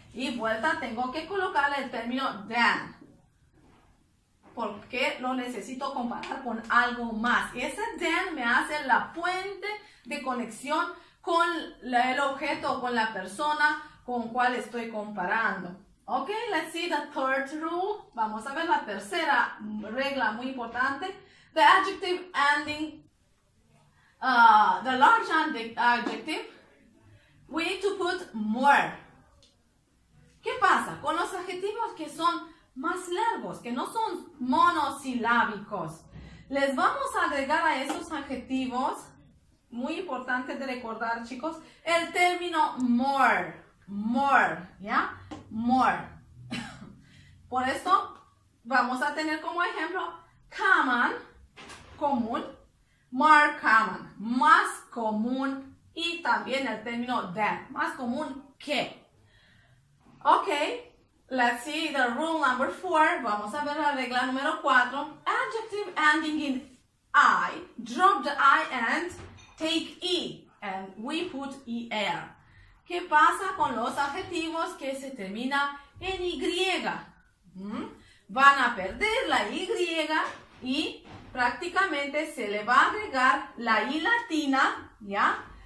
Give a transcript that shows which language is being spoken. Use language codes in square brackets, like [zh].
[es] Y vuelta, tengo que colocarle el término than. Porque lo necesito comparar con algo más. Y ese than me hace la puente de conexión con el objeto, con la persona con cual estoy comparando. [en] Ok, let's see the third rule. [es] Vamos a ver la tercera regla muy importante. [en] The adjective ending, the large adjective, we need to put more. [es] ¿Qué pasa con los adjetivos que son más largos, que no son monosilábicos? Les vamos a agregar a esos adjetivos, muy importante de recordar, chicos, el término more, more, ¿ya? More. Por eso vamos a tener como ejemplo common, común, more common, más común, y también el término than, más común que. [en] Ok, let's see the rule number 4. [es] Vamos a ver la regla número 4. [en] Adjective ending in I, drop the I and take E. And we put ER. [es] ¿Qué pasa con los adjetivos que se termina en Y? Van a perder la Y y prácticamente se le va a agregar la I latina, ¿ya?